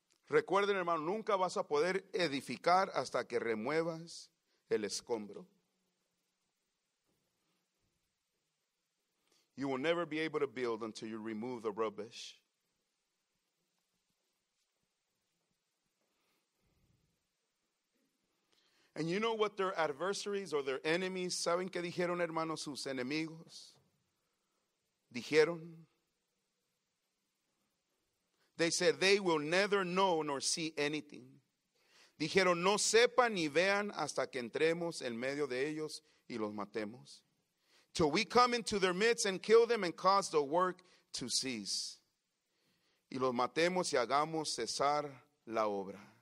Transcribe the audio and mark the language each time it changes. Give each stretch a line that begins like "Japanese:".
Spanish: Recuerden, hermano, nunca vas a poder edificar hasta que remuevas el escombro.
English: You will never be able to build until you remove the rubbish. And you know what their adversaries or their enemies,
Spanish: ¿saben qué dijeron, hermano, sus enemigos? Dijeron,
English: they said they will never know nor see anything.
Spanish: Dijeron, no sepan ni vean hasta que entremos en medio de ellos y los matemos.
English: Till we come into their midst and kill them and cause the work to cease.
Spanish: Y los matemos y hagamos cesar la obra.